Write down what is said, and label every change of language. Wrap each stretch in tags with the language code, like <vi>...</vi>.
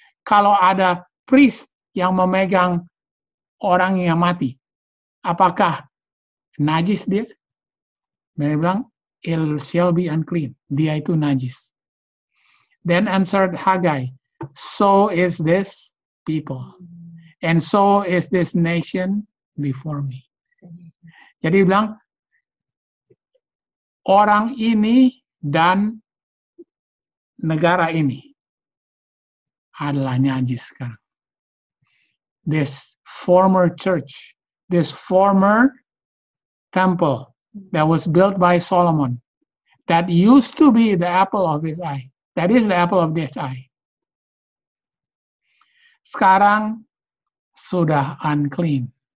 <id>Kalau ada priest yang memegang orang yang mati, apakah najis dia? Mereka bilang,</id> <en>it shall be unclean.</en> <id>Dia itu najis.</id> <en>Then answered Haggai, so is this people, and so is this nation before me.</en> <id>Jadi bilang, orang ini dan negara ini adalah najis sekarang.</id> <en>This former church, this former temple that was built by Solomon, that used to be the apple of his eye, that is the apple of his eye,</en> <id>sekarang sudah</id> <en>unclean.</en>